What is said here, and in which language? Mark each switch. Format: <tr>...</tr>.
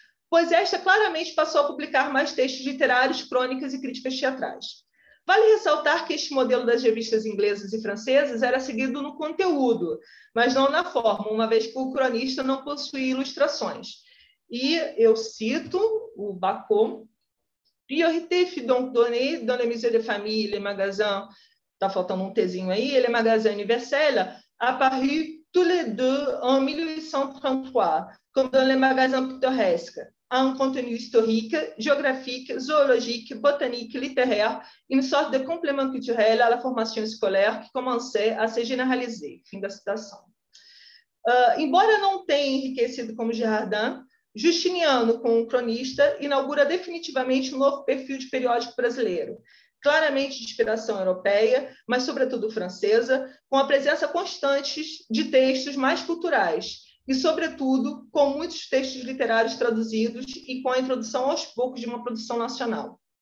<pt>Pois esta claramente passou a publicar mais textos literários, crônicas e críticas teatrais. Vale ressaltar que este modelo das revistas inglesas e francesas era seguido no conteúdo, mas não na forma, uma vez que o cronista não possuía ilustrações. E eu cito o Bacot.</pt> <fr>Priorité fut donc donnée dans le Musée des Familles, le magasin,</fr> <pt>tá faltando um tezinho aí,</pt> <fr>le magasin universel, a Paris, tous les deux, en 1833, comme dans le magasin pittoresque, a un contenu historique, géographique, zoologique, botanique, littéraire, une sorte de complément culturel à la formation scolaire qui commençait à se généraliser.</fr> <pt>Fim da citação. Embora não tenha enriquecido como Girardin, Justiniano, com O Cronista, inaugura definitivamente um novo perfil de periódico brasileiro, claramente de inspiração europeia, mas sobretudo francesa, com a presença constante de textos mais culturais e, sobretudo, com muitos textos literários traduzidos e com a introdução aos poucos de uma produção nacional.</pt>